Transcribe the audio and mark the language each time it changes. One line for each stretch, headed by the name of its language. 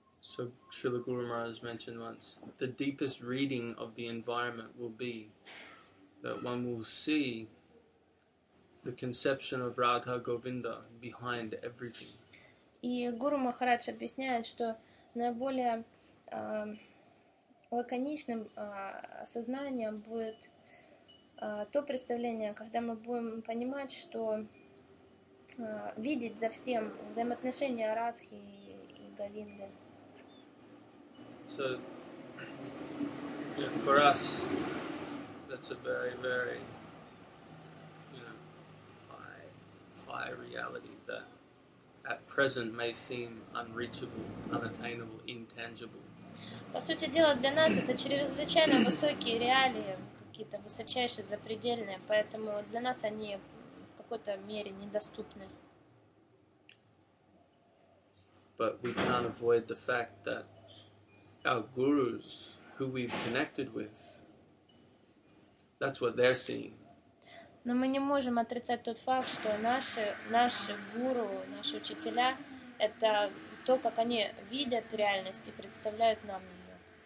English: So Srila Guru Maharaj mentioned once, the deepest reading of the environment will be that one will see the conception of Radha Govinda behind everything.
Russian: И Гуру Махарадж объясняет, что наиболее лаконичным осознанием будет то представление, когда мы будем понимать, что видеть за всем взаимоотношения Радхи и Говинды.
English: So, yeah, for us, that's a very, very, you know, high reality that at present may seem unreachable, unattainable, intangible.
Russian: По сути дела, для нас это чрезвычайно высокие реалии, какие-то высочайшие, запредельные, поэтому для нас они в какой-то мере недоступны.
English: But we can't avoid the fact that our gurus, who we've connected with, that's what they're seeing.
Russian: Но мы не можем отрицать тот факт, что наши гуру, наши учителя, это то, как они видят реальность и представляют нам ее.